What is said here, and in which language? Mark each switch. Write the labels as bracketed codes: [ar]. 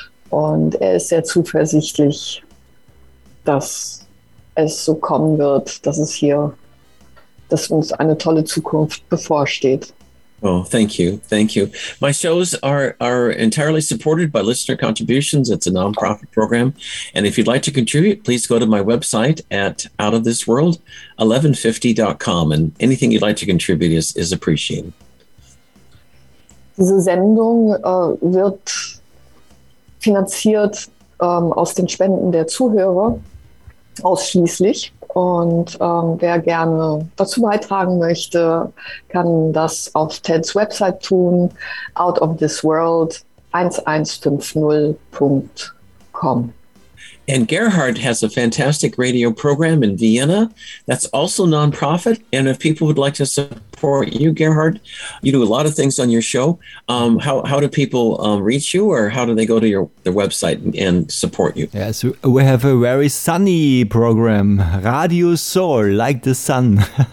[de] Und er ist sehr zuversichtlich, dass es so kommen wird, dass uns eine tolle Zukunft bevorsteht. [en] Oh, thank you. Thank you. My shows are entirely supported by listener contributions. It's a nonprofit program. And if you'd like to contribute, please go to my website at outofthisworld1150.com. And anything you'd like to contribute is appreciated. [de] Diese Sendung wird finanziert aus den Spenden der Zuhörer ausschließlich. Und wer gerne dazu beitragen möchte, kann das auf Teds Website tun, outofthisworld1150.com. [en] And Gerhard has a fantastic radio program in Vienna that's also non-profit. And if people would like to support you, Gerhard, you do a lot of things on your show. How do people reach you, or how do they go to their website and support you? Yes, yeah, so we have a very sunny program, Radio Soul, like the sun.